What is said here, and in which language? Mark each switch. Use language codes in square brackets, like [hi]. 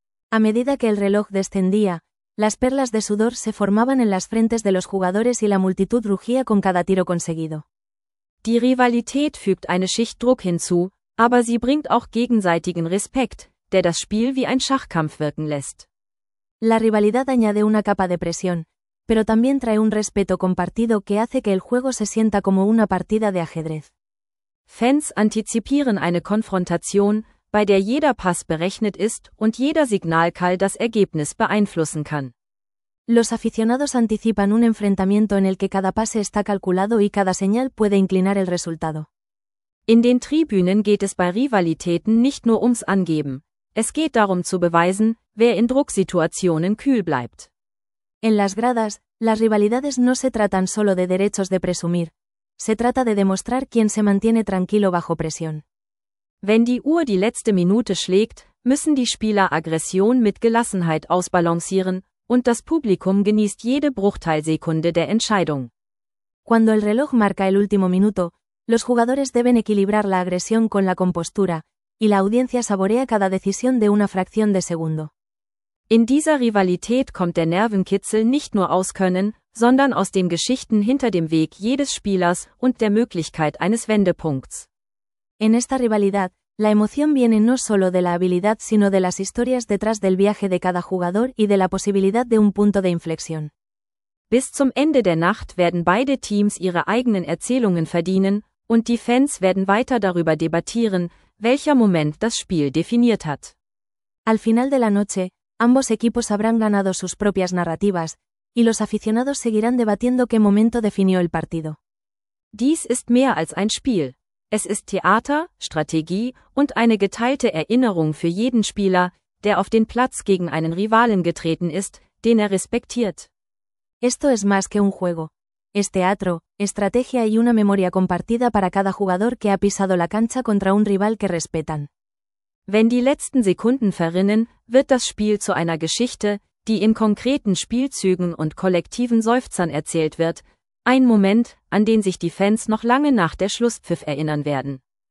[es] A medida que el reloj descendía, las perlas de sudor se formaban en las frentes de los jugadores y la multitud rugía con cada tiro conseguido. [de] Die Rivalität fügt eine Schicht Druck hinzu, aber sie bringt auch gegenseitigen Respekt, der das Spiel wie ein Schachkampf wirken lässt. [es] La rivalidad añade una capa de presión, pero también trae un respeto compartido que hace que el juego se sienta como una partida de ajedrez. [de] Fans anticipieren eine Konfrontation, bei der jeder Pass berechnet ist und jeder Signalkall das Ergebnis beeinflussen kann. [es] Los aficionados anticipan un enfrentamiento en el que cada pase está calculado y cada señal puede inclinar el resultado. [de] In den Tribünen geht es bei Rivalitäten nicht nur ums Angeben. Es geht darum zu beweisen, wer in Drucksituationen kühl bleibt. [es] En las gradas, las rivalidades no se tratan solo de derechos de presumir. Se trata de demostrar quién se mantiene tranquilo bajo presión. [de] Wenn die Uhr die letzte Minute schlägt, müssen die Spieler Aggression mit Gelassenheit ausbalancieren, und das Publikum genießt jede Bruchteilsekunde der Entscheidung. [es] Cuando el reloj marca el último minuto, los jugadores deben equilibrar la agresión con la compostura, y la audiencia saborea cada decisión de una fracción de segundo. [de] In dieser Rivalität kommt der Nervenkitzel nicht nur aus Können, sondern aus den Geschichten hinter dem Weg jedes Spielers und der Möglichkeit eines Wendepunkts. [es] En esta rivalidad, la emoción viene no solo de la habilidad sino de las historias detrás del viaje de cada jugador y de la posibilidad de un punto de inflexión. [de] Bis zum Ende der Nacht werden beide Teams ihre eigenen Erzählungen verdienen, und die Fans werden weiter darüber debattieren, welcher Moment das Spiel definiert hat. [es] Al final de la noche, ambos equipos habrán ganado sus propias narrativas, y los aficionados seguirán debatiendo qué momento definió el partido. [de] Dies ist mehr als ein Spiel. Es ist Theater, Strategie und eine geteilte Erinnerung für jeden Spieler, der auf den Platz gegen einen Rivalen getreten ist, den er respektiert. [es] Esto es más que un juego. Es teatro, estrategia y una memoria compartida para cada jugador que ha pisado la cancha contra un rival que respetan. [de] Wenn die letzten Sekunden verrinnen, wird das Spiel zu einer Geschichte, die in konkreten Spielzügen und kollektiven Seufzern erzählt wird, ein Moment, an den sich die Fans noch lange nach der Schlusspfiff erinnern werden.